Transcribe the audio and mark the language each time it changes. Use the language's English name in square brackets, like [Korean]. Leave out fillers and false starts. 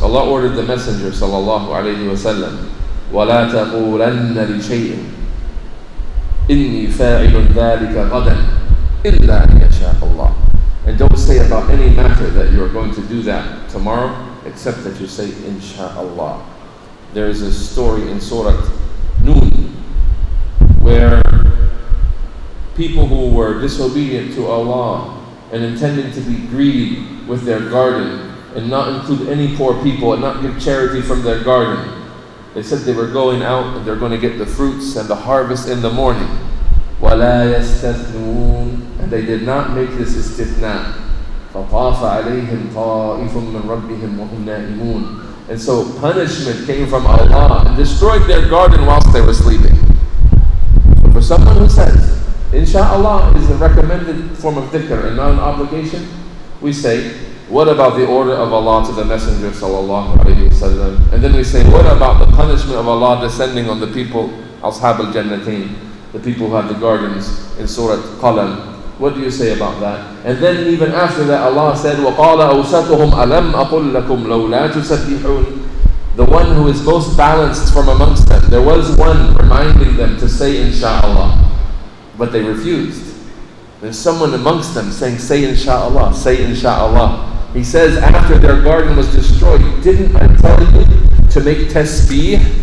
[English] Allah ordered the Messenger, [Arabic] sallallahu alayhi wa sallam, وَلَا تَقُولَنَّ لِشَيْءٍ إِنِّي فَاعِلٌ ذَٰلِكَ غَدًا إِلَّا أَن يَشَاءَ اللَّهُ. [English] And don't say about any matter that you are going to do that tomorrow, except that you say, Inshallah. There is a story in Surah Noon where people who were disobedient to Allah and intending to be greedy with their garden and not include any poor people and not give charity from their garden, they said they were going out and they're going to get the fruits and the harvest in the morning. [Arabic] وَلَا يَسْتَثْنُونَ. [English] And they did not make this istithna. [Arabic] فَطَافَ عَلَيْهِمْ طَائِفٌ مِّن رَبِّهِمْ وَهُمْ نَائِمُونَ. [English] And so punishment came from Allah and destroyed their garden whilst they were sleeping. But for someone who says, insha'Allah is the recommended form of dhikr and not an obligation, we say, what about the order of Allah to the Messenger sallallahu alayhi wa sallam? And then we say, what about the punishment of Allah descending on the people, Ashab al-Jannatin, the people who have the gardens in Surah Qalam? What do you say about that? And then even after that, Allah said, [Arabic] وَقَالَ أَوْسَتُهُمْ أَلَمْ أَقُلْ لَكُمْ لَوْ لَا تُسَبِّحُونَ. [English] The one who is most balanced from amongst them, there was one reminding them to say insha'Allah, but they refused. There's someone amongst them saying, say insha'Allah, say insha'Allah. He says, after their garden was destroyed, didn't I tell you to make tasbih?